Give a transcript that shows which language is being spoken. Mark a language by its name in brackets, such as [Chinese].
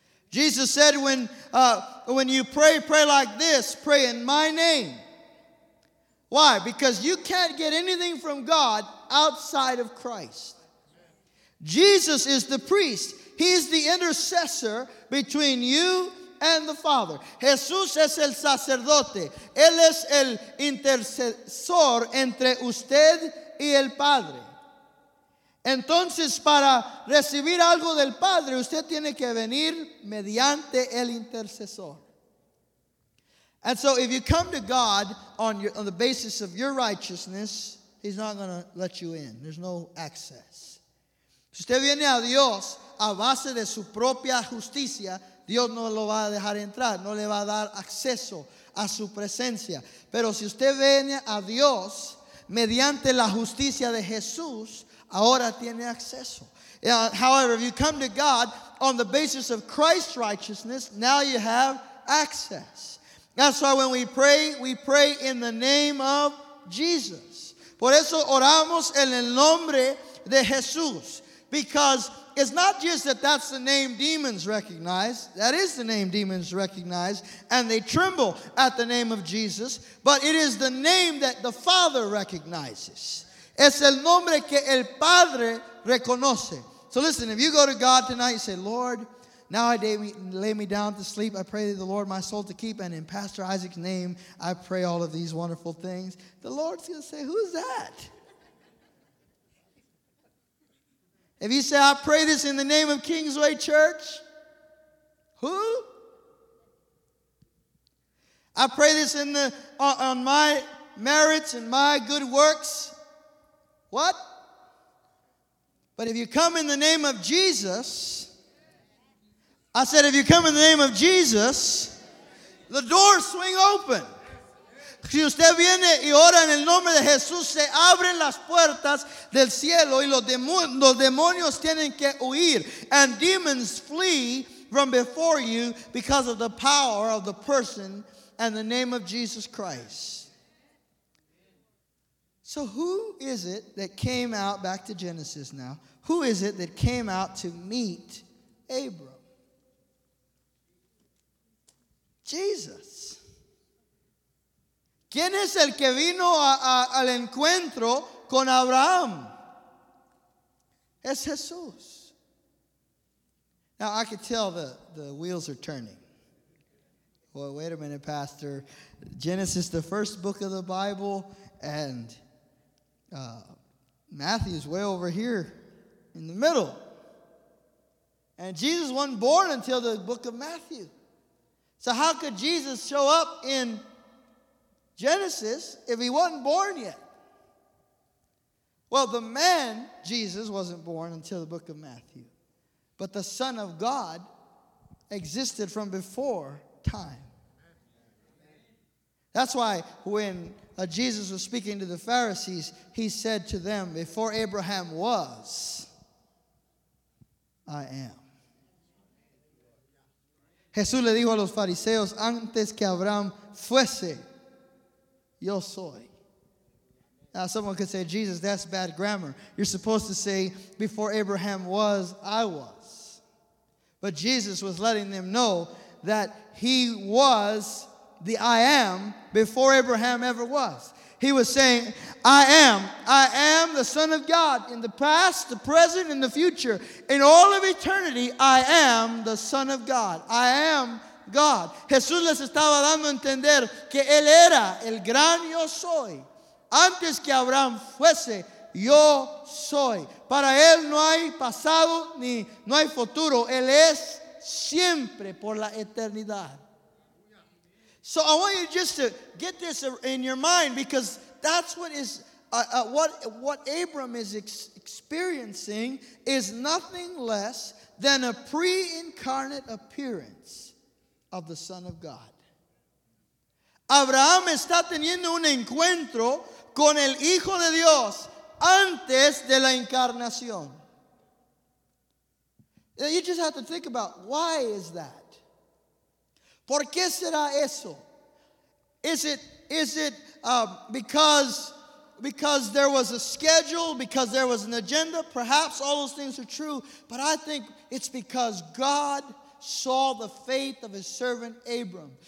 [English] Jesus said when you pray like this, pray in my name. Why? Because you can't get anything from God outside of Christ. Jesus is the priest. He's the intercessor between you and the Father. [Spanish] Jesús es el sacerdote. Él es el intercesor entre usted y el Padre. Entonces, para recibir algo del Padre, usted tiene que venir mediante el intercesor. [English] And so, if you come to God on the basis of your righteousness, he's not going to let you in. There's no access. [Spanish] Si usted viene a Dios a base de su propia justicia, Dios no lo va a dejar entrar, no le va a dar acceso a su presencia. Pero si usted viene a Dios mediante la justicia de Jesús, ahora tiene acceso. [English] However, if you come to God on the basis of Christ's righteousness, now you have access. That's why when we pray in the name of Jesus. [Spanish] Por eso oramos en el nombre de Jesús. [English] Because it's not just that that's the name demons recognize. That is the name demons recognize. And they tremble at the name of Jesus. But it is the name that the Father recognizes. [Spanish] Es el nombre que el Padre reconoce. [English] So listen, if you go to God tonight, you say, Lord, now I lay me down to sleep. I pray the Lord my soul to keep. And in Pastor Isaac's name, I pray all of these wonderful things. The Lord's going to say, who's that? If you say, I pray this in the name of Kingsway Church, who? I pray this in the on my merits and my good works, what? But if you come in the name of Jesus, I said, if you come in the name of Jesus, the doors swing open. [Spanish] Si usted viene y ora en el nombre de Jesús, se abren las puertas del cielo y los demonios tienen que huir. [English] And demons flee from before you because of the power of the person and the name of Jesus Christ. So who is it that came out, back to Genesis now, who is it that came out to meet Abram? Jesus. [Spanish] ¿Quién es el que vino al encuentro con Abraham? Es Jesús. [English] Now, I could tell the wheels are turning. Well, wait a minute, Pastor. Genesis, the first book of the Bible, and Matthew is way over here in the middle. And Jesus wasn't born until the book of Matthew. So how could Jesus show up in Genesis if he wasn't born yet? Well, the man, Jesus, wasn't born until the book of Matthew. But the Son of God existed from before time. That's why when Jesus was speaking to the Pharisees, he said to them, before Abraham was, I am. [Spanish] Jesús le dijo a los fariseos, antes que Abraham fuese, yo soy. [English] Now someone could say, Jesus, that's bad grammar. You're supposed to say, before Abraham was, I was. But Jesus was letting them know that he was the I am before Abraham ever was. He was saying, I am the Son of God in the past, the present, and the future. In all of eternity, I am the Son of God. I am God. [Spanish] Jesús les estaba dando a entender que Él era el gran yo soy. Antes que Abraham fuese, yo soy. Para Él no hay pasado ni no hay futuro. Él es siempre por la eternidad. [English] So I want you just to get this in your mind, because that's what is what Abram is experiencing is nothing less than a pre-incarnate appearance of the Son of God. [Spanish] Abraham está teniendo un encuentro con el Hijo de Dios antes de la encarnación. [English] You just have to think about, why is that? [Spanish] ¿Por qué será eso? [English] Is it because there was a schedule, because there was an agenda? Perhaps all those things are true, but I think it's because God saw the faith of his servant Abram.